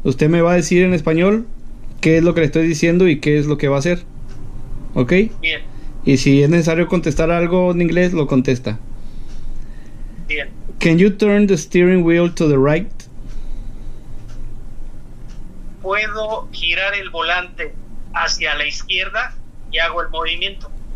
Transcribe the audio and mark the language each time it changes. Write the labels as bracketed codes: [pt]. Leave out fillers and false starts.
[es] Usted me va a decir en español qué es lo que le estoy diciendo y qué es lo que va a hacer. ¿Ok? Bien. Y si es necesario contestar algo en inglés, lo contesta. Bien. [en] Can you turn the steering wheel to the right? [es] Puedo girar el volante hacia la izquierda y hago el movimiento.